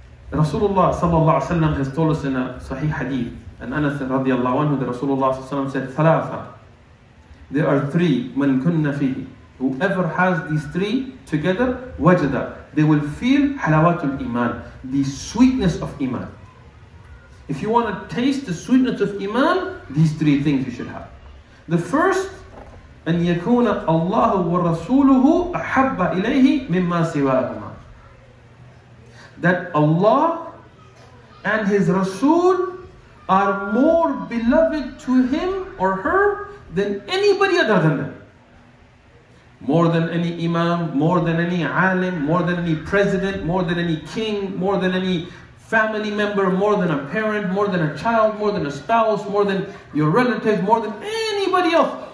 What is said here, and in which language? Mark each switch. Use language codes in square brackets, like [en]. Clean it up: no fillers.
[en] Rasulullah sallallahu alayhi wa sallam has told us in a sahih hadith, and Anas radiallahu anhu, the Rasulullah sallallahu alayhi wa sallam said, ثَلَاثَ. There are three, [ar] مَنْ كُنَّ فِيهِ. [en] Whoever has these three together, وَجَدَ. They will feel [ar] حَلَوَاتُ الْإِيمَان, [en] the sweetness of iman. If you want to taste the sweetness of iman, these three things you should have. The first, [ar] أَنْ يَكُونَ اللَّهُ وَرَسُولُهُ أَحَبَّ إِلَيْهِ مِمَّا سِوَاهُمَا. [en] That Allah and His Rasul are more beloved to him or her than anybody other than them. More than any imam, more than any alim, more than any president, more than any king, more than any family member, more than a parent, more than a child, more than a spouse, more than your relative, more than anybody else.